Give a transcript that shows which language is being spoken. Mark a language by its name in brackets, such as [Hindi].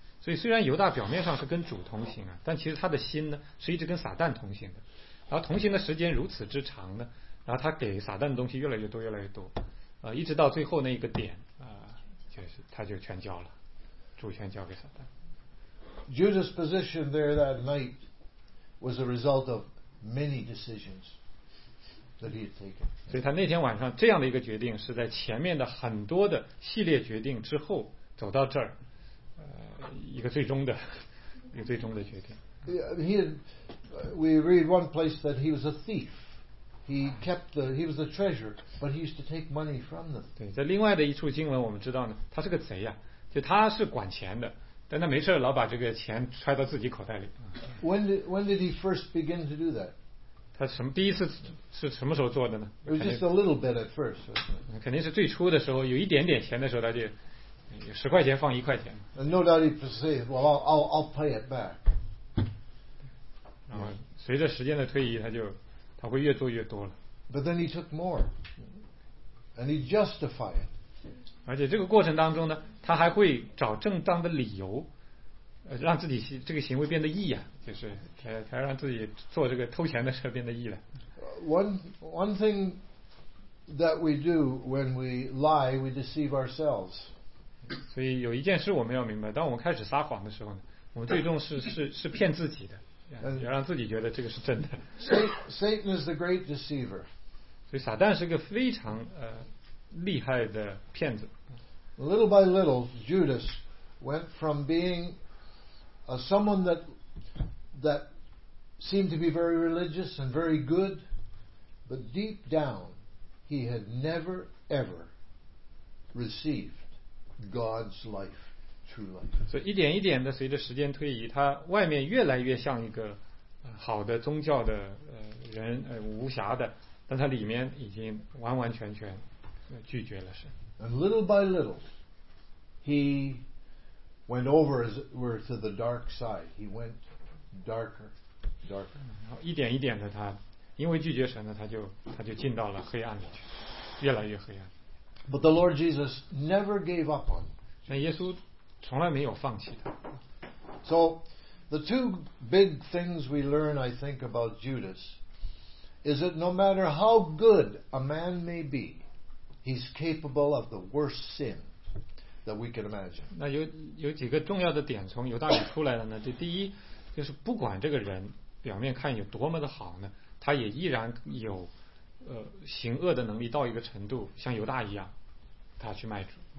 [Chinese] 所以虽然犹大表面上是跟主同行啊，但其实他的心呢是一直跟撒旦同行的。然后同行的时间如此之长呢，然后他给撒旦的东西越来越多越来越多，一直到最后那一个点啊，就是他就全交了，主权交给撒旦。 [English] Judas' position there that night was a result of many decisions that he had taken. [Chinese] 所以他那天晚上这样的一个决定是在前面的很多的系列决定之后走到这儿，一个最终的决定。 [English] We read one place that he was a thief. He was the treasurer, but he used to take money from them. [Chinese] 对，在另外的一处经文我们知道呢，他是个贼呀，就他是管钱的。但他没事老把这个钱揣到自己口袋里。 [English] When did he first begin to do that? [Chinese] 他什么第一次是什么时候做的呢？ [English] It was just a little bit at first. [Chinese] 肯定是最初的时候，有一点点钱的时候，他就有十块钱放一块钱。 [English] And no doubt he perceived, well, I'll pay it back. [Chinese] 然后随着时间的推移，他会越做越多了。 [English] But then he took more, and he justified it. [Chinese] 而且这个过程当中呢，他还会找正当的理由，让自己这个行为变得义呀、啊，就是才让自己做这个偷钱的事变得义了。 [English] One thing that we do when we lie, we deceive ourselves. [Chinese] 所以有一件事我们要明白，当我们开始撒谎的时候呢，我们最终是骗自己的，要让自己觉得这个是真的。 [English] Satan is the great deceiver. [Chinese] 所以撒旦是个非常厉害的骗子。 [English] Little by little, Judas went from being someone that seemed to be very religious and very good, but deep down, he had never ever received God's life, true life. [Chinese] 所以一点一点的，随着时间推移，他外面越来越像一个好的宗教的人，无瑕的，但他里面已经完完全全。拒绝了神。 [English] And little by little, he went over, as it were, to the dark side. He went darker, darker. [Chinese] 然后一点一点的他，因为拒绝神呢，他就进到了黑暗里去，越来越黑暗。 [English] But the Lord Jesus never gave up on him. [Chinese] 那耶稣从来没有放弃他。 [English] So the two big things we learn, I think, about Judas is that no matter how good a man may be,He's capable of the worst sin that we can imagine. [Chinese] 那有几个重要的点从犹大里出来了呢？就第一，就是不管这个人表面看有多么的好呢，他也依然有行恶的能力到一个程度，像犹大一样，他去卖主。